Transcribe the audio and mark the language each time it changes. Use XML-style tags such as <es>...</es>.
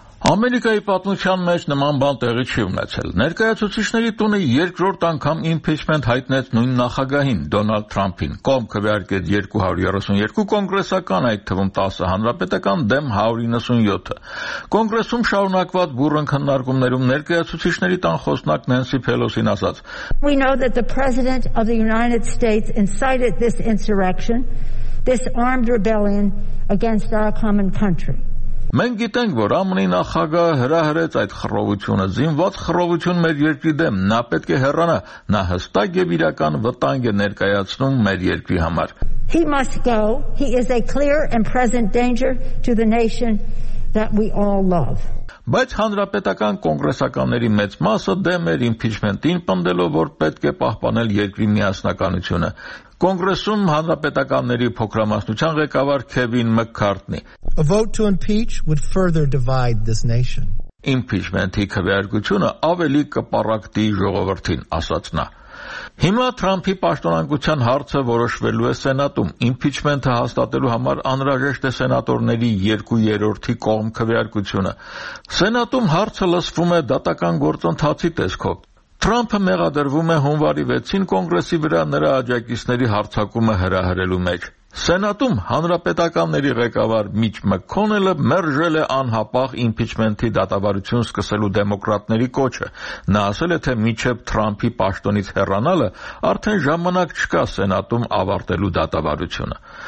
<hy>Ամերիկայի պատմության մեջ նման բան տեղի չի ունեցել։ Ներկայացուցիչների տունը երկրորդ անգամ իմպիչմենթ հայտնեց նույն նախագահին Դոնալդ Թրամփին։ Կողմ քվեարկեց 232 կոնգրեսական, այդ թվում 10 հանրապետական դեմ 197-ը։ Կոնգրեսում շարունակված բուռն քննարկումներում ներկայացուցիչների տան խոսնակ Նենսի Փելոսին ասաց.</hy> <en>We know that the president of the United States incited this insurrection, this armed rebellion against our common country.</en> <hy>Մենք գիտենք, որ ԱՄՆ-ի նախագահը հրահրեց այդ խռովությունը, զինված խռովություն մեր երկրի դեմ, նա պետք է հեռանա, նա հստակ եւ իրական վտանգ է ներկայացնում մեր երկրի համար։</hy> <en>He must go. He is a clear and present danger to the nation that we all love.</en> <hy>Բայց հանրապետական կոնգրեսականների մեծ մասը դեմ էր իմպիչմենտին, պնդելով, որ պետք է պահպանել երկրի միասնականությունը։ Կոնգրեսում հանրապետականների փոքրամասնության ղեկավար Քևին Մեքքարթնի.</hy> <en>A vote to impeach would further divide this nation.</en> <hy>Իմպիչմենթի քվեարկությունը ավելի կպառակտի ժողովրդին, ասաց նա. Հիմա Թրամփի պաշտոնանկության հարցը որոշվելու է Սենատում։ Իմպիչմենթը հաստատելու համար անհրաժեշտ է սենատորների 2/3 կողմ քվեարկությունը։ Սենատում հարցը լսվում է դատական գործընթացի տեսքով։ Թրամփը մեղադրվում է հունվարի 6-ին կոնգրեսի վրա նրա աջակիցների հարձակումը հրահրելու մեջ։ Սենատում հանրապետականների ղեկավար Միչ Մքոնելը մերժել է անհապաղ իմպիչմենթի դատավարություն սկսելու դեմոկրատների կոչը։ Նա ասել է, թե միչև Թրամփի պաշտոնից հեռանալը արդեն ժամանակ չկա Սենատում ավարտելու դատավարությունը։</hy>